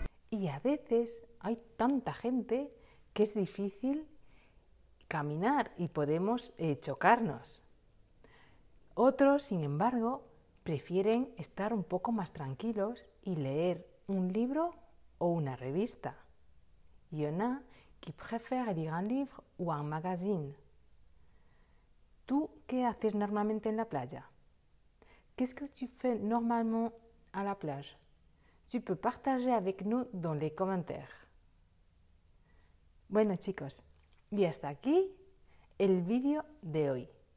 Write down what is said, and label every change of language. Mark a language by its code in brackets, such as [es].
[es] Y a veces hay tanta gente que es difícil caminar y podemos chocarnos. Otros, sin embargo, prefieren estar un poco más tranquilos y leer un libro o una revista. [fr] Y en a qui préfère lire un livre ou un magazine. [es] ¿Tú qué haces normalmente en la playa? [fr] Qu'est-ce que tu fais normalement à la plage? Tu peux partager avec nous dans les commentaires. [es] Bueno chicos, y hasta aquí el vídeo de hoy.